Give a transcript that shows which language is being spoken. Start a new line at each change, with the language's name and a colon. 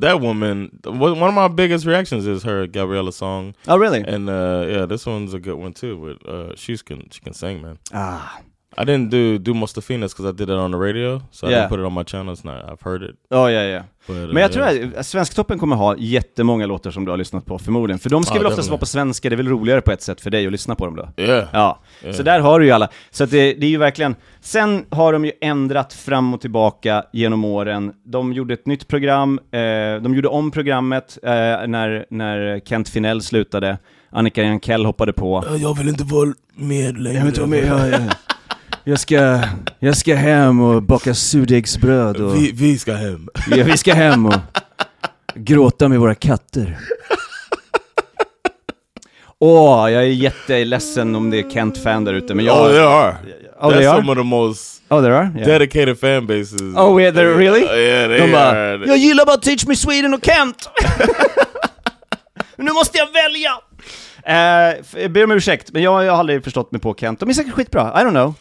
English: That woman, one of my biggest reactions is her Gabriella song. Oh, really? And this one's a good one too. But she can sing, man. Ah, I didn't do Mustafinas because I did it on the radio, so yeah. I didn't put it on my channel. It's not. I've heard it. Oh yeah, yeah.
Swedish: Men jag tror att Svensktoppen kommer ha jättemånga låtar som du har lyssnat på förmodligen. För de ska väl oftast vara på svenska. Det är väl roligare på ett sätt för dig att lyssna på dem då.
English: Yeah.
Swedish: Ja. Yeah. Så där har du ju alla. Så att det är ju verkligen. Sen har de ju ändrat fram och tillbaka genom åren. De gjorde ett nytt program. De gjorde om programmet när Kent Finell slutade. Annika Jankell hoppade på. Jag vill inte vara med längre. Jag vill inte vara med. Jag ska hem och baka surdegsbröd och vi ska hem. Ja, vi ska hem och gråta med våra katter. Åh, jag är jätteledsen om det är Kent fan där ute, men jag
English: Oh, they are. Oh, they are. That's some of the most dedicated fan bases. Oh, yeah, they're really? Yeah, they are.
Swedish: Jag gillar bara Teach Me Sweden och Kent. Nu måste jag välja. Jag ber om ursäkt, men jag har aldrig förstått mig på Kent. De är säkert skitbra,
English: I don't know.